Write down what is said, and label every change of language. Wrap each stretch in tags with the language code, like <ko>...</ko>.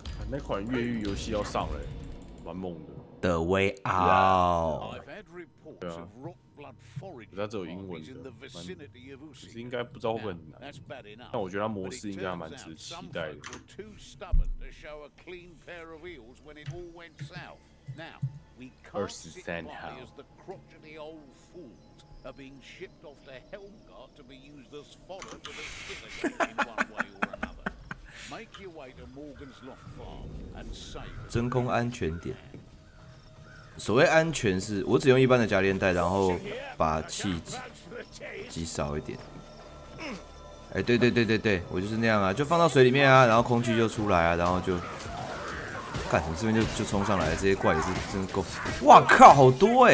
<zh>那款越狱游戏要上了、欸，蛮猛的。</zh> <en>The Way Out。</en> <zh>对啊，它只有英文的，蛮，可是应该不知道会很难。但我觉得它模式应该还蛮值得期待的。</zh> <en>Too stubborn to show a clean pair of heels when it all went south. Now we can't sit quietly as the crotchety old fools are being shipped off to Helmgart to be used as fodder for the Skitter Gang in one way or another. Make your way to Morgan's Loft Farm and save.</en> <zh>真空安全点。所谓安全是，我只用一般的加链袋，然后把气挤少一点。哎，对对对对对，我就是那样啊，就放到水里面啊，然后空气就出来啊，然后就，干，我这边就冲上来了，这些怪也是真够，哇靠，好多哎、</zh>